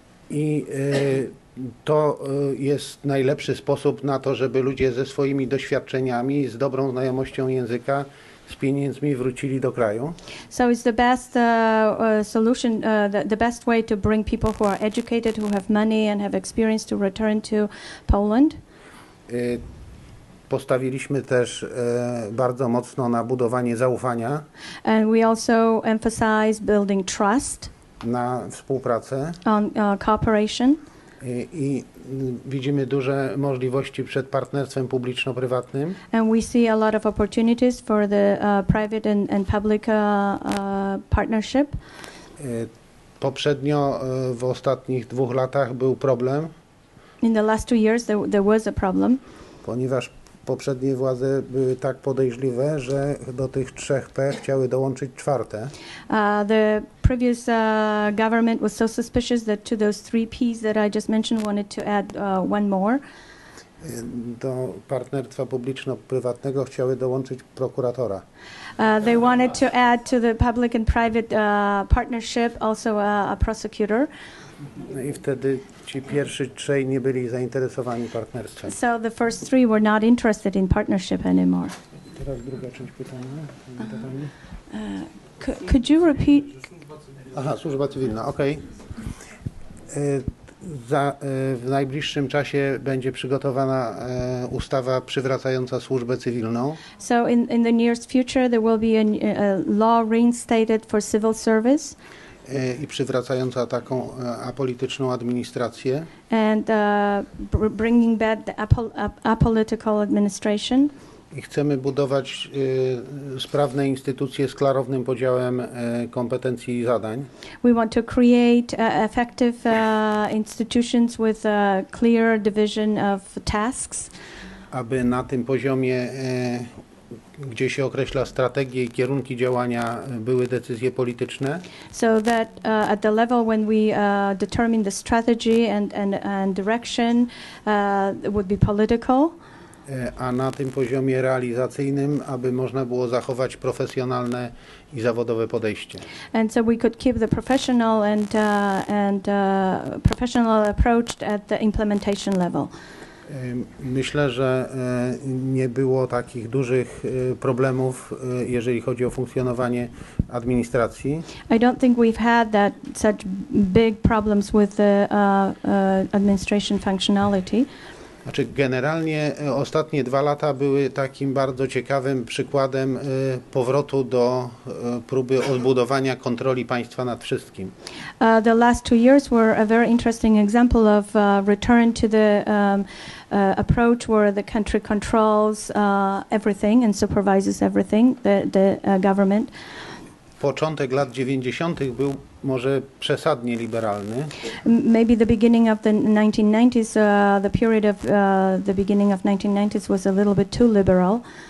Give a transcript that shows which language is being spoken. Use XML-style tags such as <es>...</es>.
<pl>I to jest najlepszy sposób na to, żeby ludzie ze swoimi doświadczeniami, z dobrą znajomością języka, z pieniędzmi wrócili do kraju.</pl> <en>So it's the best solution, the best way to bring people who are educated, who have money and have experience to return to Poland.</en> <pl>Postawiliśmy też bardzo mocno na budowanie zaufania.</pl> <en>And we also emphasize building trust.</en> <pl>Na współpracę.</pl> <en>On cooperation.</en> <pl>I widzimy duże możliwości przed partnerstwem publiczno-prywatnym.</pl> <en>And we see a lot of opportunities for the private and public partnership.</en> <pl>Poprzednio w ostatnich dwóch latach był problem.</pl> <en>In the last 2 years there was a problem.</en> <pl>Ponieważ poprzednie władze były tak podejrzliwe, że do tych trzech P chciały dołączyć czwarte.</pl> <en>The previous government was so suspicious that to those three P's that I just mentioned wanted to add one more.</en> <pl>Do partnerstwa publiczno-prywatnego chciały dołączyć prokuratora.</pl> <en>They wanted to add to the public and private partnership also a prosecutor.</en> <pl>No i wtedy ci pierwsi trzej nie byli zainteresowani partnerstwem.</pl> <en>So the first three were not interested in partnership anymore.</en> <pl>Teraz druga część pytania.</pl> <en>Could you repeat?</en> <pl>Aha, służba cywilna, okej. W najbliższym czasie będzie przygotowana ustawa przywracająca służbę cywilną.</pl> <en>So in the nearest future there will be a law reinstated for civil service.</en> <pl>I przywracająca taką apolityczną administrację.</pl> <en>And bringing back the apolitical administration.</en> <pl>I chcemy budować sprawne instytucje z klarownym podziałem kompetencji i zadań.</pl> <en>We want to create effective institutions with a clear division of tasks.</en> <pl>Aby na tym poziomie gdzie się określa strategie i kierunki działania, były decyzje polityczne.</pl> <en>So that at the level when we determine the strategy and direction would be political.</en> <pl>A na tym poziomie realizacyjnym, aby można było zachować profesjonalne i zawodowe podejście.</pl> <en>And so we could keep the professional and professional approach at the implementation level.</en> <pl>Myślę, że nie było takich dużych problemów, jeżeli chodzi o funkcjonowanie administracji.</pl> <en>I don't think we've had that such big problems with the administration functionality.</en> <pl>Znaczy generalnie ostatnie dwa lata były takim bardzo ciekawym przykładem powrotu do próby odbudowania kontroli państwa nad wszystkim.</pl> <en>The last 2 years were a very interesting example of return to the approach where the country controls everything and supervises everything, the government.</en> <pl>Początek lat 90. był może przesadnie liberalny.</pl> <en>Maybe the beginning of the 1990s, the period of the beginning of 1990s was a little bit too liberal.</en>